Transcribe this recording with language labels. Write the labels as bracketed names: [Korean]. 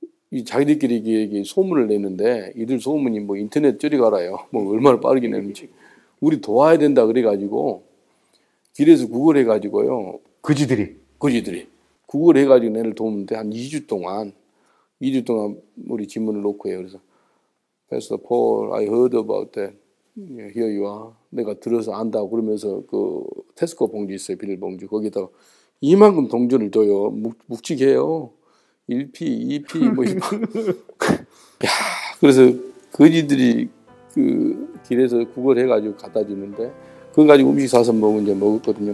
[Korean] 이 자기들끼리 이게 소문을 내는데 이들 소문이 뭐 인터넷 저리 가라요. 뭐 얼마나 빠르게 내는지. 우리 도와야 된다 그래가지고 길에서 구글해가지고요. 거지들이? 거지들이. 구글해가지고 내를 도우는데 한 2주 동안 2주 동안 우리 질문을 놓고 해요. [English] 그래서 Pastor Paul, I heard about that. Here you are. [Korean] 내가 들어서 안다 그러면서 그 테스코 봉지 있어요. 비닐봉지. 거기다가 이만큼 동전을 줘요. 묵직해요. 1p, 2p, 뭐, 이만큼. 야, 그래서, 거지들이, 그, 길에서 구걸 해가지고 갖다 주는데, 그거 가지고 음식 사서 먹은 게 먹었거든요.